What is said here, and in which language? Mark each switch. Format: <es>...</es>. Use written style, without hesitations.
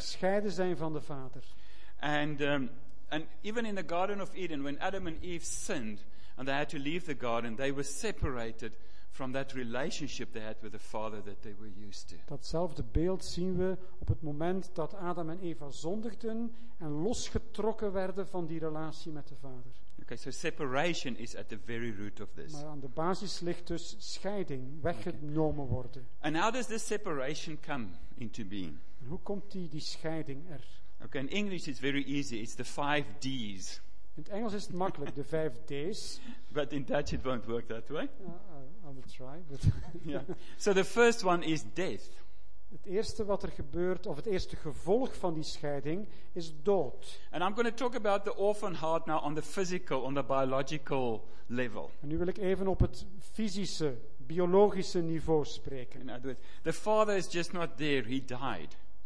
<nl>Gescheiden zijn van de vader.</nl> <en>And even in the Garden of Eden, when Adam and Eve sinned and they had to leave the garden, they were separated from that relationship they had with the Father that they were used to.</en> <nl>Datzelfde beeld zien we op het moment dat Adam en Eva zondigden en losgetrokken werden van die relatie met de Vader.</nl> <en>Okay, so separation is at the very root of this.</en> <nl>Maar aan de basis ligt dus scheiding, weggenomen worden.</nl> <en>And how does this separation come into being?</en> <nl>En hoe komt die scheiding er?</nl> <en>Okay, in English it's very easy. It's the 5 D's.</en> <nl>In het Engels is het makkelijk, de 5 D's.</nl> <en>But in Dutch it won't work that way. I will try. But yeah. So the first one is death.</en> <nl>Het eerste wat er gebeurt, of het eerste gevolg van die scheiding, is dood.</nl> <en>And I'm going to talk about the orphan heart now on the physical, on the biological level.</en> <nl>En nu wil ik even op het fysische, biologische niveau spreken.</nl> <en>In other words, the father is just not there, he died.</en>